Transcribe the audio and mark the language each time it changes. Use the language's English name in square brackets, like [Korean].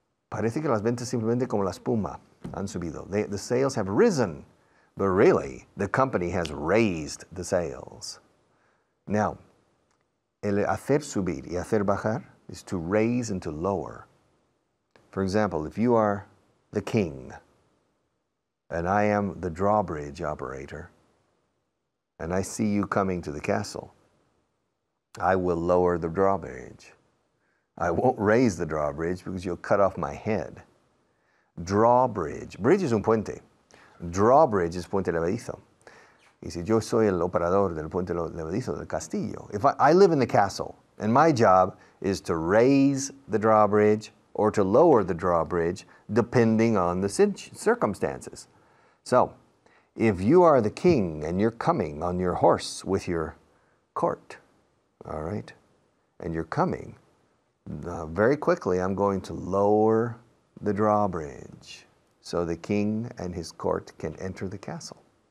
[Spanish] Parece que las ventas simplemente como la espuma. Han subido. [English] The sales have risen, but really, the company has raised the sales. Now, el hacer subir y hacer bajar is to raise and to lower. For example, if you are the king, and I am the drawbridge operator, and I see you coming to the castle, I will lower the drawbridge. I won't raise the drawbridge because you'll cut off my head. [Spanish] Drawbridge. Bridge es un puente. Drawbridge es puente levadizo. Y si yo soy el operador del puente levadizo del castillo. [English] If I live in the castle, and my job is to raise the drawbridge or to lower the drawbridge, depending on the circumstances. So, if you are the king and you're coming on your horse with your court, all right, and you're coming, very quickly I'm going to lower the drawbridge, so the king and his court can enter the castle.